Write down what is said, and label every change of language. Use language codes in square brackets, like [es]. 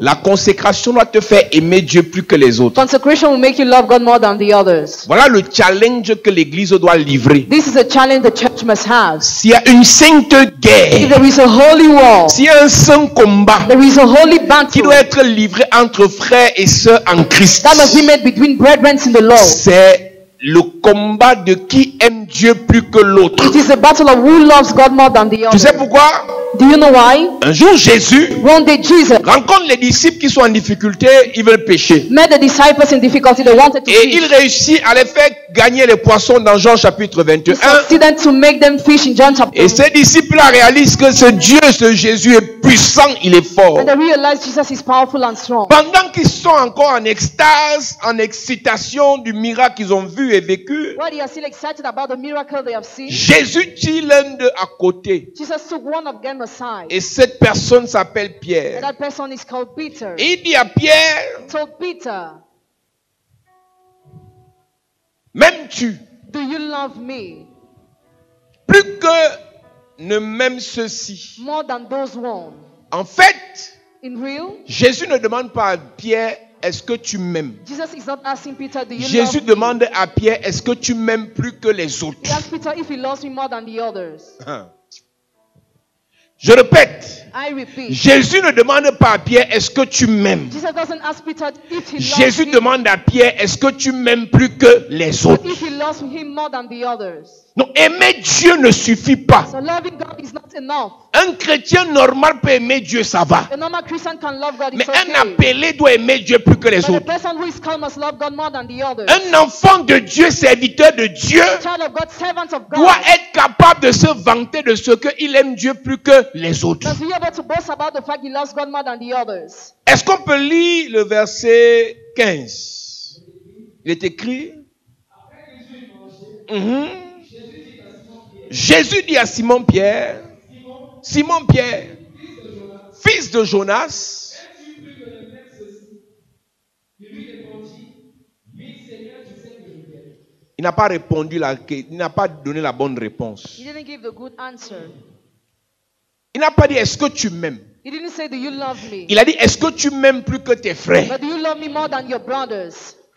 [fr] La consécration doit te faire aimer Dieu plus que les autres. [en] Consecration will make you love God more than the others. [fr] Voilà le challenge que l'église doit livrer. [en] This is a challenge the church must have. [fr] S'il y a une sainte guerre. [en] If there is a holy war. [fr] S'il y a un saint combat. [en] There is a holy battle. [fr] Qui doit être livré entre frères et sœurs en Christ. [en] That must be made between brethren in the Lord. [fr] C'est le combat de qui aime Dieu plus que l'autre. [en] It is a battle of who loves God more than the other. [fr] Tu sais pourquoi? [en] Do you know why? [fr] Un jour Jésus [en] one day Jesus [fr] rencontre les disciples qui sont en difficulté, ils veulent pêcher. [en] Met the disciples in difficulty, they wanted to [fr] et [en] fish. [fr] Il réussit à les faire gagner les poissons dans Jean chapitre 21. [en] He succeeded to make them fish in John chapter [fr] 1. Et ses disciples réalisent que ce Dieu, ce Jésus est puissant, il est fort. [en] And they realize Jesus is powerful and strong. [fr] Pendant qu'ils sont encore en extase, en excitation du miracle qu'ils ont vu et vécu, [en] while they are still excited about the miracle they have seen, [fr] Jésus tire l'un d'eux à côté. [en] Jesus took one of them aside. [fr] Et cette personne s'appelle Pierre. [en] And that person is called Peter. [fr] Et il dit à Pierre, [en] told Peter, [fr] m'aimes-tu? [en] Do you love me? [fr] Plus que ne m'aime ceci. [en] More than those one. [fr] En fait, [en] in real, [fr] Jésus ne demande pas à Pierre, est-ce que tu m'aimes? [en] Jesus is not asking Peter, do you [fr] Jésus [en] love [fr] demande [en] me? [fr] À Pierre, est-ce que tu m'aimes plus que les autres? [en] He asked Peter if he loves me more than the others. [fr] Je répète, [en] I repeat, [fr] Jésus ne demande pas à Pierre, est-ce que tu m'aimes? [en] Jesus doesn't ask Peter if he loves him. [fr] Jésus demande à Pierre, est-ce que tu m'aimes plus que les autres? [en] If he loves him more than the others. [fr] Non, aimer Dieu ne suffit pas. [en] So loving God is not enough. [fr] Un chrétien normal peut aimer Dieu, ça va. [en] A normal Christian can love God, it's [fr] mais [en] okay. [fr] Un appelé doit aimer Dieu plus que les [en] but [fr] autres. [en] A person who is called must love God more than the others. [fr] Un enfant de Dieu, serviteur de Dieu, [en] child of God, servant of God, [fr] doit être capable de se vanter de ce qu'il aime Dieu plus que les autres. [en] Must be able to boast about the fact he loves God more than the others. [fr] Est-ce qu'on peut lire le verset 15? Il est écrit. Jésus dit à Simon Pierre, Simon Pierre, fils de Jonas, il n'a pas répondu, il n'a pas donné la bonne réponse. [en] He didn't give the good answer. [fr] Il n'a pas dit, est-ce que tu m'aimes? [en] He didn't say, do you love me? [fr] Il a dit, est-ce que tu m'aimes plus que tes frères? [en] But do you love me more than your brothers?